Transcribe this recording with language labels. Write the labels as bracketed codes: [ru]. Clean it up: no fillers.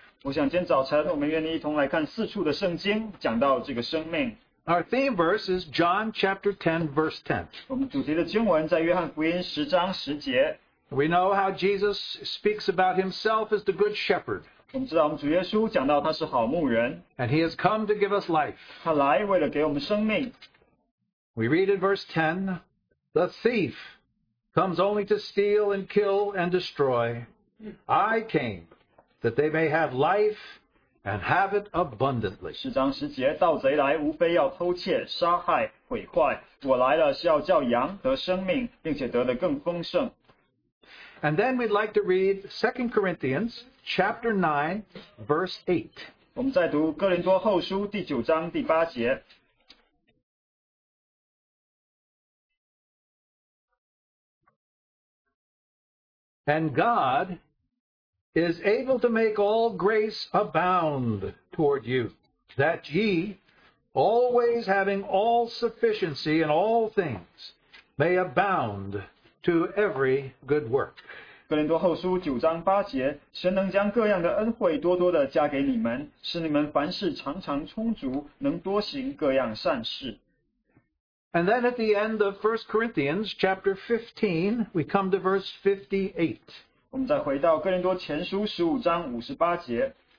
[zh] 我想今天早晨我们愿意一同来看四处的圣经，讲到这个生命。 [en] Our theme verse is John chapter 10, verse 10. [zh] 我们主题的经文在约翰福音十章十节。 [en] We know how Jesus speaks about himself as the good shepherd. And he has come to give us life. We read in verse 10, "The thief comes only to steal and kill and destroy. I came that they may have life and have it abundantly." [zh] 十章十节, 盗贼来无非要偷窃、杀害、毁坏。我来了是要叫羊得生命, 并且得得更丰盛。 [en] And then we'd like to read 2 Corinthians chapter 9, verse 8. [zh] 我们再读哥林多后书第九章第八节。 [en] And God is able to make all grace abound toward you, that ye, always having all sufficiency in all things, may abound to every good work. [zh] 哥林多后书九章八节，神能将各样的恩惠多多的加给你们，使你们凡事常常充足，能多行各样善事。 [en] And then at the end of 1 Corinthians chapter 15, we come to verse 58. [zh] 我们再回到哥林多前书十五章五十八节。